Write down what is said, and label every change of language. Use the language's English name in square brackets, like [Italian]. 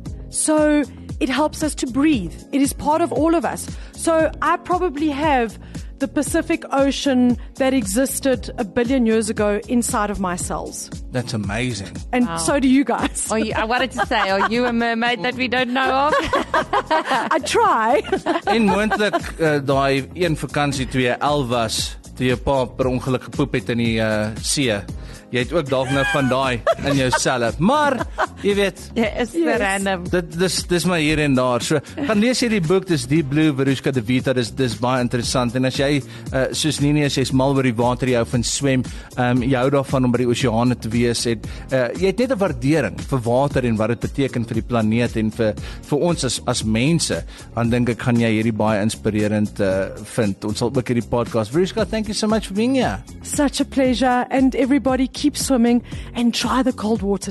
[English] So it helps us to breathe. It is part of all of us. So I probably have the Pacific Ocean that existed 1 billion years ago inside of my cells. That's amazing. And so do you guys. I wanted to say, are you a mermaid that we don't know of? I try. [Afrikaans] En moontlik daai een vakansie toe jy al was, toe jy pa per ongeluk gepoep het in die see. Jy het ook dalk nou van daai in jouself. Maar, jy weet. Jy is random. Dis my hier en daar. So, gaan lees hierdie boek, dis Deep Blue, Varushka De Vita. Dis baie interessant. En as jy, soos Nini, as jy is mal oor die water, jy hou van swem, jy hou daarvan om by die oseane te wees, jy het net 'n waardering vir water en wat dit beteken vir die planeet en vir ons as mense, dan dink ek gaan jy hierdie baie inspirerend vind. Ons sal ook hierdie podcast. [English] Varushka, thank you so much for being here. Such a pleasure. And everybody, keep swimming and try the cold water.